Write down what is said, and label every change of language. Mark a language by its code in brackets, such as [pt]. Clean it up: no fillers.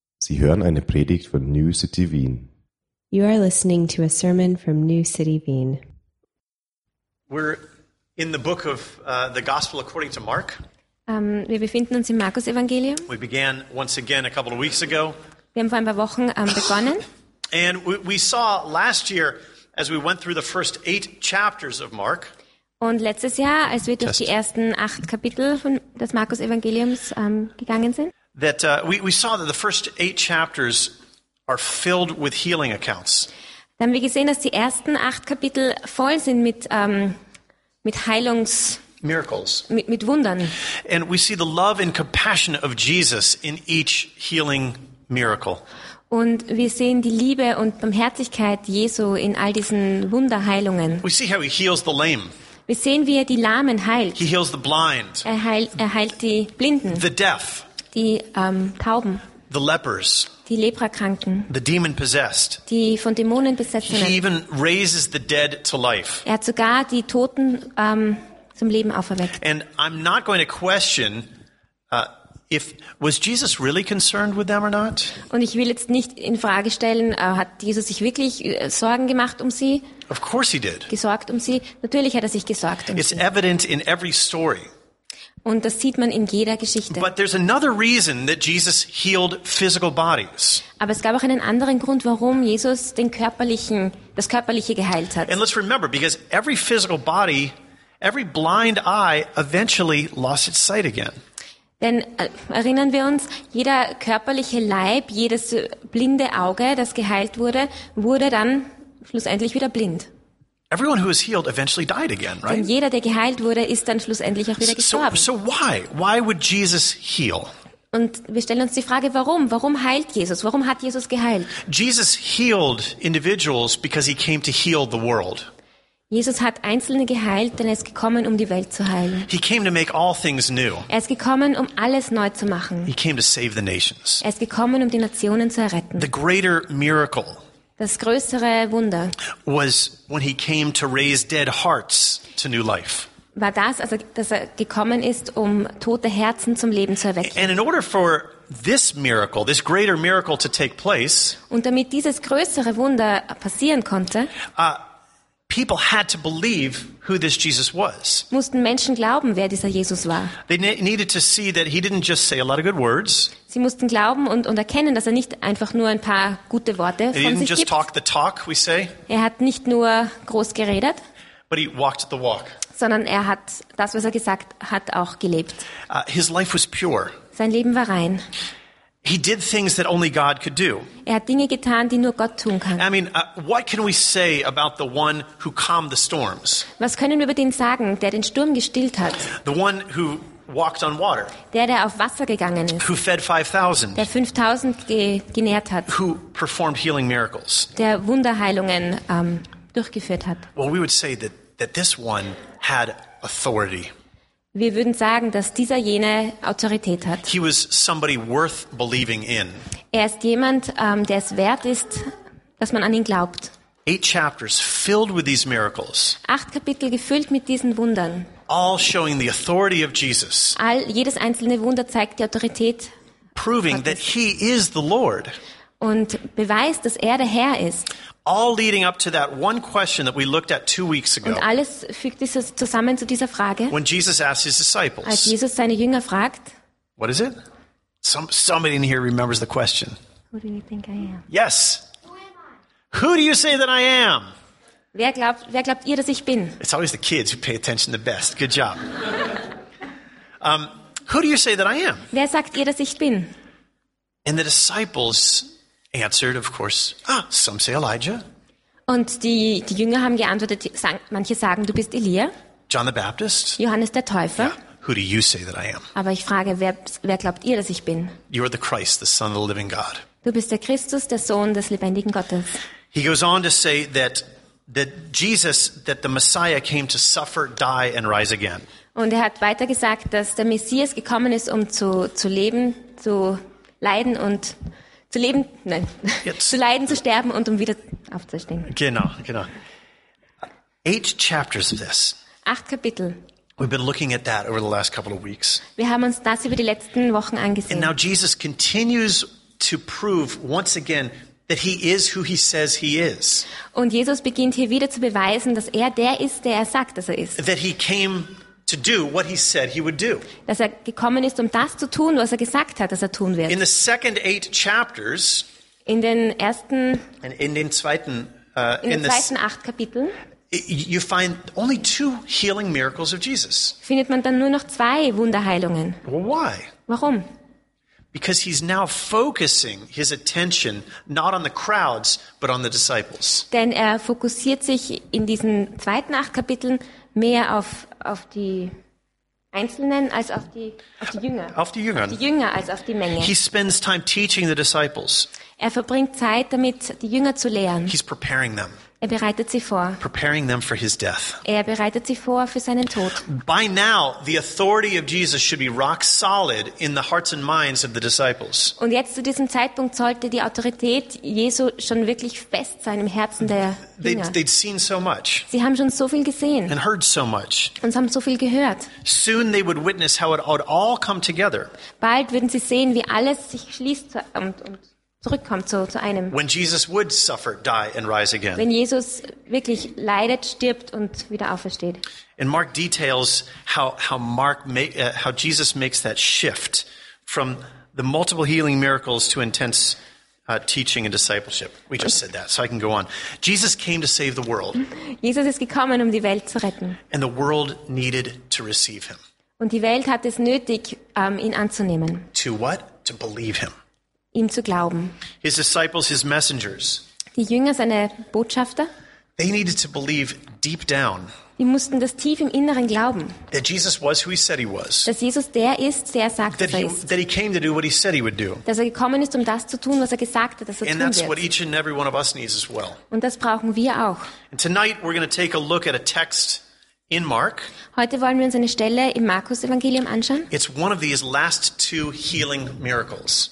[de] Sie hören eine Predigt von New City Wien. [en] You are listening to a sermon from New City Wien. We're in the book of the Gospel according to Mark. [de] Wir befinden uns im Markus Evangelium. [en] We began once again a couple of weeks ago. [de] Wir haben vor ein paar Wochen begonnen. [en] And we saw last year as we went through the first 8 chapters of Mark. [de] Und letztes Jahr, als wir durch die ersten 8 Kapitel von des Markus Evangeliums gegangen sind. [en] That we saw that the first 8 chapters are filled with healing accounts. [de] Dann haben wir gesehen, dass die ersten 8 Kapitel voll sind mit Heilungs [en] miracles. [de] Mit Wundern. [en] And we see the love and compassion of Jesus in each healing miracle. [de] Und wir sehen die Liebe und Barmherzigkeit Jesu in all diesen Wunderheilungen. [en] We see how he heals the lame. [de] Wir sehen, wie er die Lahmen heilt. [en] He heals the blind. [de] Er heilt die Blinden. [en] The deaf. [de] Die Tauben, [en] the lepers, [de] die Leprakranken, [en] the demon possessed, [de] die von Dämonen besessenen. [en] He even raises the dead to life. [de] Er hat sogar die Toten zum Leben auferweckt. [en] And I'm not going to question if was Jesus really concerned with them or not. [de] Und ich will jetzt nicht in Frage stellen, hat Jesus sich wirklich Sorgen gemacht um sie? [en] Of course he did. [de] Gesorgt um sie? Natürlich hat er sich gesorgt um [en] It's [de] sie. [en] It's evident in every story. [de] Und das sieht man in jeder Geschichte. [en] But there's another reason that Jesus healed physical bodies. [de] Aber es gab auch einen anderen Grund, warum Jesus das Körperliche geheilt hat. [en] And let's remember, because every physical body, every blind eye eventually lost its sight again. [de] Denn erinnern wir uns, jeder körperliche Leib, jedes blinde Auge, das geheilt wurde, wurde dann schlussendlich wieder blind. [en] Everyone who is healed eventually died again, right? [de] Denn jeder, der geheilt wurde, ist dann schlussendlich auch wieder gestorben. [en] So why? Why would Jesus heal? [de] Und wir stellen uns die Frage, warum? Warum heilt Jesus? Warum hat Jesus geheilt? [en] Jesus healed individuals because he came to heal the world. [de] Jesus hat Einzelne geheilt, denn er ist gekommen, um die Welt zu heilen. [en] He came to make all things new. [de] Er ist gekommen, um alles neu zu machen. [en] He came to save the nations. [de] Er ist gekommen, um die Nationen zu erretten. [en] The greater miracle. [de] Das größere Wunder [en] was when he came to raise dead hearts to new life. [de] War das, also dass er gekommen ist, um tote Herzen zum Leben zu erwecken. [en] And in order for this miracle, this greater miracle to take place, [de] und damit dieses größere Wunder passieren konnte, [en] people had to believe who this Jesus was. [de] Mussten Menschen glauben, wer dieser Jesus war. [en] They needed to see that he didn't just say a lot of good words. [de] Sie mussten glauben und erkennen, dass er nicht einfach nur ein paar gute Worte von sich gibt. [en] He didn't just talk the talk, we say. [de] Er hat nicht nur groß geredet. [en] But he walked the walk. [de] Sondern er hat das, was er gesagt hat, auch gelebt. [en] His life was pure. [de] Sein Leben war rein. [en] He did things that only God could do. [de] Er hat Dinge getan, die nur Gott tun kann. [en] I mean, what can we say about the one who calmed the storms? [de] Was können wir über den sagen, der den Sturm gestillt hat? [en] The one who walked on water. [de] Der auf Wasser gegangen ist. [en] Who fed 5,000? [de] Der 5,000 genährt hat. [en] Who performed healing miracles? [de] Der Wunderheilungen durchgeführt hat. [en] Well, we would say that this one had authority. [de] Wir würden sagen, dass dieser jene Autorität hat. [en] He was somebody worth believing in. [de] Er ist jemand, der es wert ist, dass man an ihn glaubt. [en] 8 chapters filled with these miracles. [de] 8 Kapitel gefüllt mit diesen Wundern. [en] All showing the authority of Jesus. [de] Jedes einzelne Wunder zeigt die Autorität. [en] Proving that he is the Lord. [de] Und beweist, dass er der Herr ist. [en] All leading up to that one question that we looked at 2 weeks ago. [de] Und alles fügt sich zusammen zu dieser Frage. [en] When Jesus asked his disciples. [de] Als Jesus seine Jünger fragt. [en] What is it? Somebody in here remembers the question. Who do you think I am? Yes. Who am I? Who do you say that I am? [de] Wer glaubt ihr, dass ich bin? [en] It's always the kids who pay attention the best. Good job. Who do you say that I am? [de] Wer sagt ihr, dass ich bin? [en] And the disciples answered, of course, some say Elijah. [de] Und die Jünger haben geantwortet, manche sagen, du bist Elia. [en] John the Baptist. [de] Johannes der Täufer. [en] Yeah. Who do you say that I am? [de] Aber ich frage, wer glaubt ihr, dass ich bin? [en] You are the Christ, the Son of the living God. [de] Du bist der Christus, der Sohn des lebendigen Gottes. [en] He goes on to say that the Messiah came to suffer, die and rise again. [de] Und er hat weiter gesagt, dass der Messias gekommen ist, um zu leben, zu leiden und zu leben, nein, zu leiden, zu sterben und um wieder aufzustehen. Genau. [en] 8 chapters of this. [de] 8 Kapitel. [en] We've been looking at that over the last couple of weeks. [de] Wir haben uns das über die letzten Wochen angesehen. [en] And now Jesus continues to prove once again that he is who he says he is. [de] Und Jesus beginnt hier wieder zu beweisen, dass der ist, der sagt, dass ist. [en] That he came to do what he said he would do. [de] Dass gekommen ist, das zu tun, was gesagt hat, dass tun wird. [en] In the second eight chapters. [de] In den ersten. In den zweiten. In den zweiten acht Kapiteln. [en] You find only two healing miracles of Jesus. [de] Findet man dann nur noch zwei Wunderheilungen. [en] Well, why? [de] Warum? [en] Because he's now focusing his attention not on the crowds, but on the disciples. [de] Denn fokussiert sich in diesen zweiten acht Kapiteln mehr auf die Einzelnen als auf die Jünger. Auf die Jünger. Auf die Jünger als auf die Menge. [en] He spends time teaching the disciples. [de] Verbringt Zeit damit, die Jünger zu lehren. [en] He's preparing them. [de] Bereitet sie vor. [en] Preparing them for his death. [de] Bereitet sie vor für seinen Tod. [en] By now, the authority of Jesus should be rock solid in the hearts and minds of the disciples. [de] Und jetzt zu diesem Zeitpunkt sollte die Autorität Jesu schon wirklich fest sein im Herzen der Jünger. [en] They'd seen so much. [de] Sie haben schon so viel gesehen. [en] And heard so much. [de] Und sie haben so viel gehört. [en] Soon they would witness how it would all come together. [de] Bald würden sie sehen, wie alles sich schließt und zurückkommt zu einem. [en] When Jesus would suffer, die, and rise again. [de] Wenn Jesus wirklich leidet, stirbt und wieder aufersteht. [en] And Mark details how Jesus makes that shift from the multiple healing miracles to intense teaching and discipleship. We just said that, so I can go on. Jesus came to save the world. [de] Jesus ist gekommen, um die Welt zu retten. [en] And the world needed to receive him. [de] Und die Welt hat es nötig, ihn anzunehmen. [en] To what? To believe him. [de] Ihm zu glauben. [en] His disciples, his messengers. [de] Die Jünger, seine Botschafter. [en] They needed to believe deep down. [de] Die mussten das tief im Inneren glauben. [en] That Jesus was who he said he was. [de] Dass Jesus der ist, der sagt, dass er ist. [en] That he came to do what he said he would do. [de] Dass gekommen ist, das zu tun, was gesagt hat, dass tun wird. [en] And that's what each and every one of us needs as well. [de] Und das brauchen wir auch. [en] And tonight we're going to take a look at a text in Mark. [de] Heute wollen wir uns eine Stelle im Markus-Evangelium anschauen. [en] It's one of these last two healing miracles.